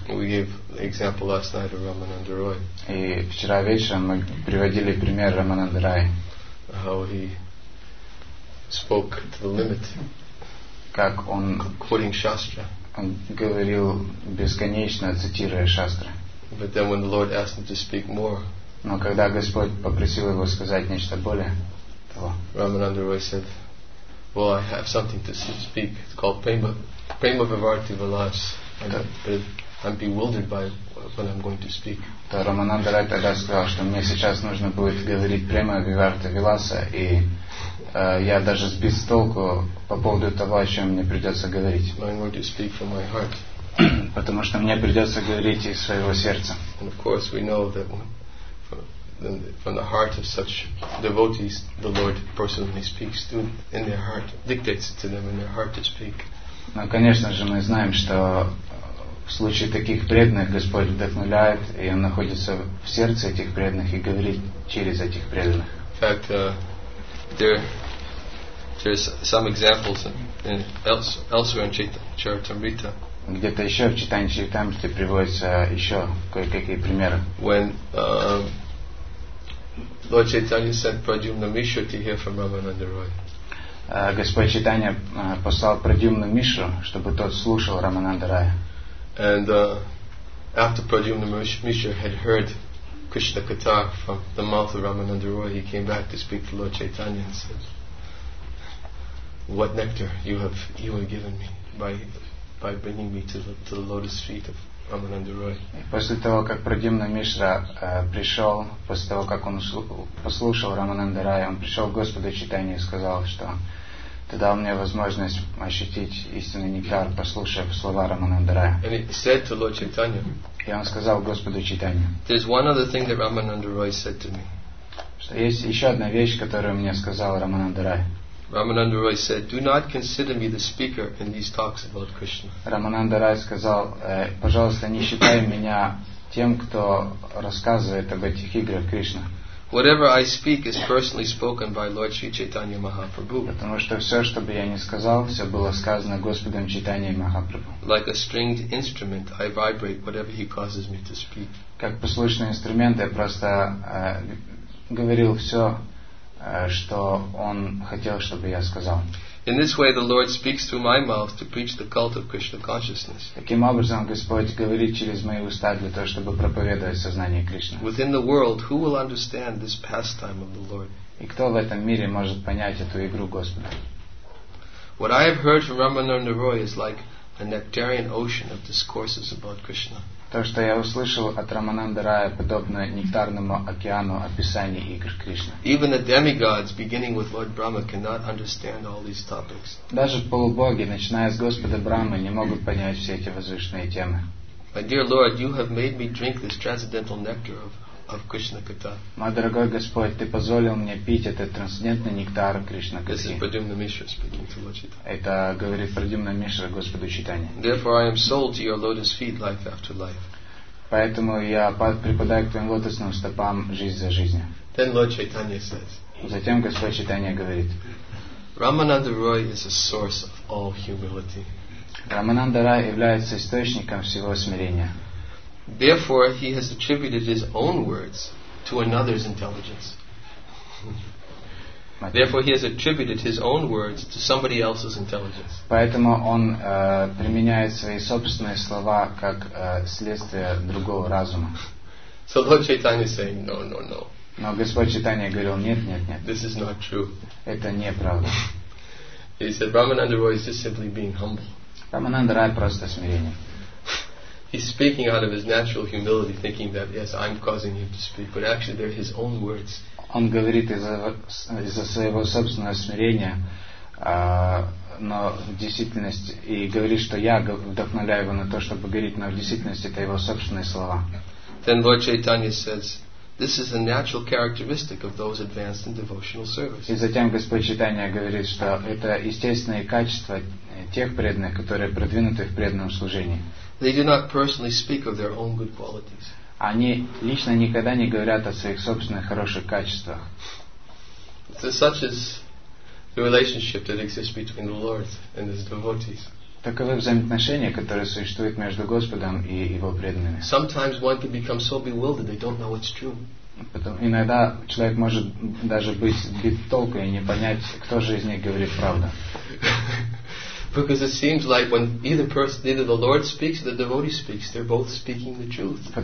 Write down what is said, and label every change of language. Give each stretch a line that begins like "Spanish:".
Russian: И вчера вечером мы приводили пример Рамананда Рай.
English: How he spoke to the limit.
Russian: Как он
English: quoting Shastra.
Russian: Говорил бесконечно, цитируя шастры.
English: But then when the Lord asked him to speak more,
Russian: но когда Господь попросил его сказать нечто более того,
English: Рамананда Рой said, well, I have something to speak. It's called Prema Vivarti Vilas. But I'm bewildered by what I'm going to speak.
Russian: То Рамананда Рай тогда сказал, что мне сейчас нужно будет говорить Prema Vivarti Vilasa, и я даже сбит с толку по поводу того, о чем мне придется говорить.
English: I'm going to speak from my heart.
Russian: Потому что мне придется говорить из своего сердца.
English: And of course we know that from the heart of such devotees the Lord personally speaks to in their heart, dictates to them in their heart to speak.
Russian: Но конечно же мы знаем, что в случае таких преданных Господь вдохновляет, и Он находится в сердце этих преданных и говорит через этих преданных.
English: In fact, there's some examples elsewhere in Charitamrita.
Russian: Где-то еще в читании Чайтамрити приводятся еще кое-какие примеры.
English: When Lord Chaitanya sent Pradyumna Mishra to hear from Ramananda Roy.
Russian: Господь Чайтанья послал Прадюмну Мишру, чтобы тот слушал Рамананда Рая.
English: And after Pradyumna Mishra had heard Krishna Katha from the mouth of Ramananda Roy, he came back to speak to Lord Chaitanya and said, "What nectar you have given me by bringing me to the lotus feet of Ramananda Roy."
Russian: После того, как Прадюмна Мишра пришел, после того, как он послушал Рамананда Рая, он пришел к Господу Чайтанье и сказал, что ты дал мне возможность ощутить истинный нектар, послушав слова Рамананда Рая.
English: And he said to Lord Chaitanya,
Russian: и он сказал Господу Чайтанье,
English: there's one other thing that Ramananda Roy said to me.
Russian: Что есть еще одна вещь, которую мне сказал Рамананда Рай.
English: Рамананда Рой said, "Do not consider me the speaker in these talks about Krishna."
Russian: Рамананда Рай сказал, пожалуйста, не считай меня тем, кто рассказывает об этих играх Кришна.
English: Whatever I speak is personally spoken by Lord Sri Chaitanya Mahaprabhu.
Russian: Потому что все, что бы я ни сказал, все было сказано Господом Чайтаньей Махапрабху.
English: Like a stringed instrument, I vibrate whatever He causes me to speak.
Russian: Как послушный инструмент, я просто говорил все, что он хотел, чтобы я сказал.
English: In this way, the Lord speaks through my mouth to preach the cult of Krishna consciousness.
Russian: Таким образом, Господь говорит через мои уста для того, чтобы проповедовать сознание Кришны.
English: Within the world, who will understand this pastime of the Lord?
Russian: И кто в этом мире может понять эту игру Господа?
English: What I have heard from Ramana Naroy is like a nectarian ocean of discourses about Krishna.
Russian: То, что я услышал от Рамананда Рая, подобно нектарному океану описаний игр Кришны.
English: Even the demigods, beginning with Lord Brahma, cannot understand all these topics.
Russian: Даже полубоги, начиная с Господа Брахмы, не могут понять все эти возвышенные темы.
English: My dear Lord, you have made me drink this transcendental nectar of Krishna Katha.
Russian: Мой дорогой Господь, ты позволил мне пить этот трансцендентный нектар Кришна Катхи.
English: This is Pradyumna Mishra speaking to Lord Chaitanya.
Russian: Это говорит Прадюмна Мишра Господу Читания.
English: Therefore I am sold to your lotus feet life after life.
Russian: Поэтому я преподаю к твоим лотосным стопам жизнь за жизнь.
English: Then Lord Chaitanya says.
Russian: Затем Господь Читания говорит.
English: Ramananda Roy is a source of all humility.
Russian: Рамананда Рай является источником всего смирения.
English: Therefore, he has attributed his own words to another's intelligence. Therefore, he has attributed his own words to somebody else's intelligence.
Russian: Поэтому он применяет свои собственные слова как следствие другого разума.
English: So Lord Chaitanya is saying, no, no, no.
Russian: Но Господь Читания говорил, нет, нет, нет.
English: This is not true.
Russian: Это не правда.
English: He said, Ramananda Roy is just simply being humble.
Russian: Рамананда Рай просто смирение.
English: He's speaking out of his natural humility, thinking that yes, I'm causing him to speak, but actually they're his own words.
Russian: Он говорит из-за своего собственного смирения, но в действительности и говорит, что я вдохновляю его на то, чтобы говорить, но в действительности это его собственные слова.
English: Then Lord Chaitanya says, "This is a natural characteristic of those advanced in devotional service."
Russian: И затем Господь Читания говорит, что это естественное качество тех преданных, которые продвинуты в преданном служении.
English: They do not personally speak of their own good qualities.
Russian: Они лично никогда не говорят о своих собственных хороших качествах.
English: So such is the relationship that exists between the Lord and his devotees.
Russian: Таковы взаимоотношения, которые существуют между Господом и его преданными.
English: Sometimes one can become so bewildered they don't know what's true.
Russian: Потом иногда человек может даже быть сбит толку и не понять, кто же из них говорит правду.
English: Because it seems like when either person, either the Lord speaks or the devotee speaks, they're both speaking the truth.